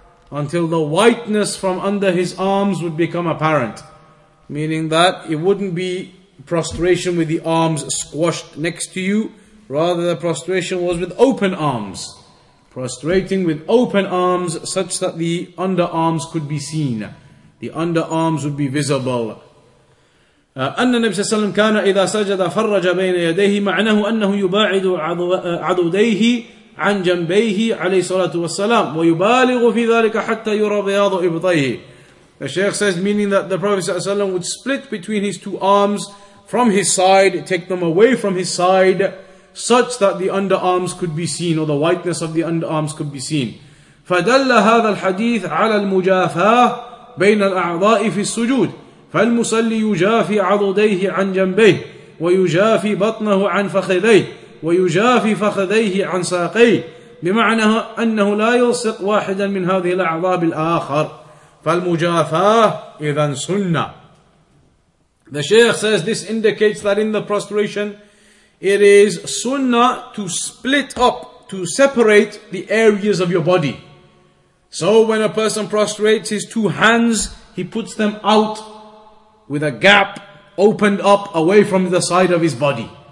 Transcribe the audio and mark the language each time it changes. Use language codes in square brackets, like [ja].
[en] Until the whiteness from under his arms would become apparent. Meaning that it wouldn't be prostration with the arms squashed next to you. Rather, the prostration was with open arms. Prostrating with open arms such that the underarms could be seen. The underarms would be visible. [ar] أن النبي صلى الله عليه وسلم كان إذا سجد فرج بين يديه معناه أنه يباعد عضديه عن جنبيه عليه الصلاة والسلام ويبالغ في ذلك حتى يرى بياض إبطيه. [en] The Shaykh says, meaning that the Prophet [ar] صلى الله عليه وسلم [en] would split between his two arms from his side, take them away from his side, such that the underarms could be seen, or the whiteness of the underarms could be seen. [ar] فدل هذا الحديث على المجافاة بين الأعضاء في السجود. فالمصلي يجافي عضديه عن جنبيه ويجافي بطنه عن فخذيه ويجافي فخذيه عن ساقيه, بمعنى أنه لا يلصق واحدا من هذه الأعضاء بالآخر. فالمجافاة إذن سنة. [en] The Shaykh says this indicates that in the prostration it is sunnah to split up, to separate the areas of your body. So when a person prostrates, his two hands, he puts them out with a gap opened up away from the side of his body.